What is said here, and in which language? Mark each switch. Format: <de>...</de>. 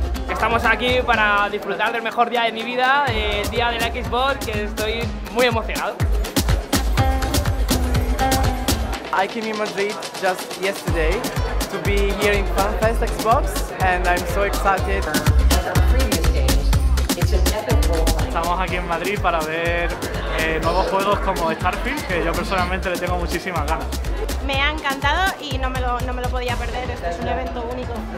<es>Estamos aquí para disfrutar del mejor día de mi vida, el día de la Xbox, que estoy muy emocionado.</es> <en>I came in Madrid just yesterday to be here in FanFest Xbox, and I'm so excited.</en> <es>Estamos aquí en Madrid para ver nuevos juegos como Starfield, que yo personalmente le tengo muchísimas ganas. Me ha encantado y no me lo podía perder. Este es un evento único.</es>